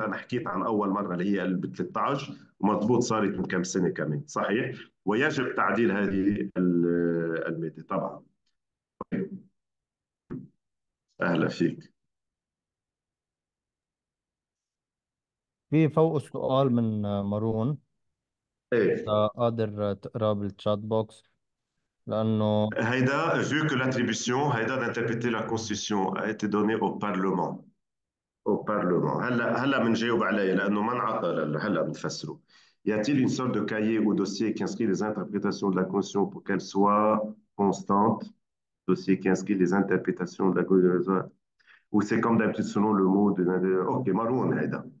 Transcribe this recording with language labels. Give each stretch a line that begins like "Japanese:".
Arabic: انا حكيت عن اول مره اللي هي ب 13، ومضبوط صارت من كم سنه كمان، صحيح، ويجب تعديل هذه الماده طبعا. اهلا فيك. في فوق السؤال من مارون، ايه إذا قادر تقرأ بالتشات بوكس، لأنه
French: هيدا vu que l'attribution هيدا d'interpréter la constitution a été donnée au parlement. Au parlement.
Arabic: هلا بنجاوب عليه لانه ما انعقل، هلا بنفسره.
French: Y a-t-il une sorte de cahier ou dossier qui inscrit les interprétations de la constitution pour qu'elle soit constante? Dossier qui inscrit les interprétations de la constitution. Ou c'est comme d'habitude selon le mot de. Ok, Maroun هيدا.